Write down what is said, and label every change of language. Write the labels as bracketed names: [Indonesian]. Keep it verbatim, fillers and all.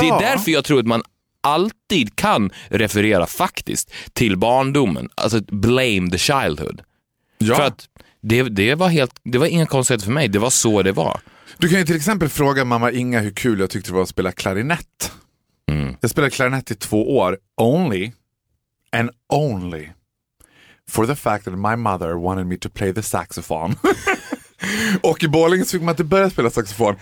[Swedish] Det är därför jag tror att man alltid kan referera faktiskt till barndomen, alltså [English] blame the childhood. [Swedish] Ja. För att Det, det var helt, det var inga konstigheter för mig. Det var så det var. Du kan ju till exempel fråga mamma Inga hur kul jag tyckte det var att spela klarinett. Mm. Jag spelade klarinett i två år. [English] Only and only for the fact that my mother wanted me to play the saxophone. [Swedish] Och i Borlänge så fick man inte börja spela saxofon.